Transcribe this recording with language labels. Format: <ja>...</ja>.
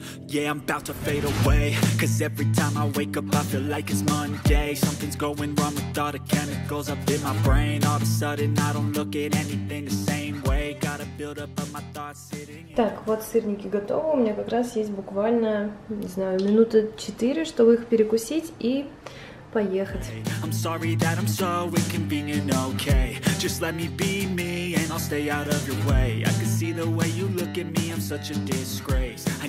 <en>Yeah, I'm about to fade away. Cause every time I wake up, I feel like it's Monday. Something's going wrong with all the chemicals up in my brain. All of a sudden, I don't look at anything the same way. Gotta build up my thoughts sitting.</en> <ru>Так, вот сырники готовы. У меня как раз есть буквально, не знаю, минуты 4, чтобы их перекусить и поехать.</ru> <en>I'm sorry that I'm so inconvenient, okay. Just let me be me and I'll stay out of your way. I can see the way you look at me, I'm such a disgrace.</en>